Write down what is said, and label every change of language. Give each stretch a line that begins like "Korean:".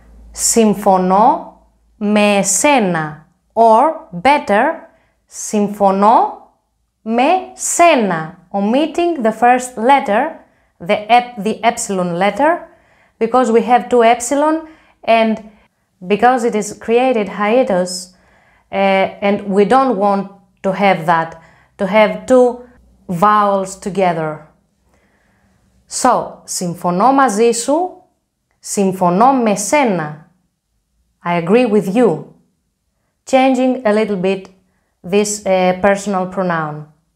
Greek: Συμφωνώ με σένα,
English: or better,
Greek: συμφωνώ με σένα,
English: omitting the first letter, the epsilon letter, because we have two epsilon, and because it is created hiatus, and we don't want to have that, to have two vowels together. So,
Greek: συμφωνώ μαζί σου, συμφωνώ με σένα.
English: I agree with you, changing a little bit this personal pronoun.